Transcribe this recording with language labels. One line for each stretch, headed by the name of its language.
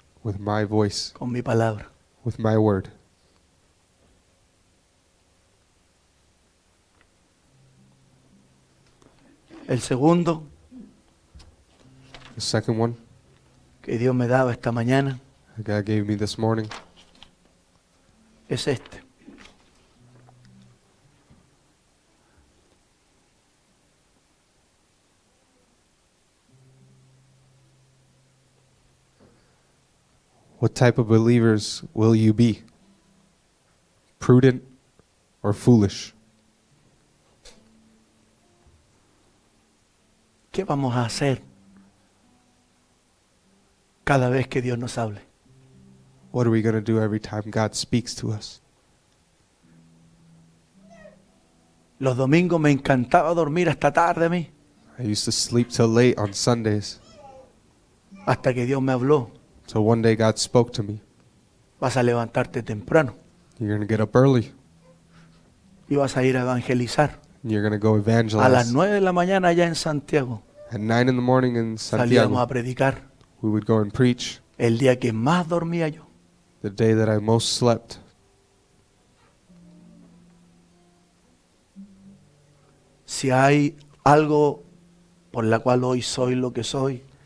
English: With my voice.
Spanish: Con mi palabra.
English: With my word.
Spanish: El segundo.
English: The second one.
Spanish: Que Dios me daba esta mañana.
English: That God gave me this morning.
Spanish: Es este.
English: What type of believers will you be? Prudent or foolish?
Spanish: ¿Qué vamos a hacer cada vez que Dios nos hable?
English: What are we going to do every time God speaks to us?
Spanish: Los domingos me encantaba dormir hasta tarde a mí.
English: I used to sleep till late on Sundays.
Spanish: Hasta que Dios me habló.
English: So one day God spoke to me.
Spanish: Vas a levantarte temprano.
English: You're going to get up early.
Spanish: Y vas a ir a evangelizar.
English: You're going to go evangelize.
Spanish: A las 9 de la mañana allá en Santiago.
English: At 9 in the morning in Santiago.
Spanish: Salíamos a predicar.
English: We would go and preach.
Spanish: El día que más dormía yo.
English: The day that I most slept.
Spanish: Si hay algo por la cual hoy soy lo que soy.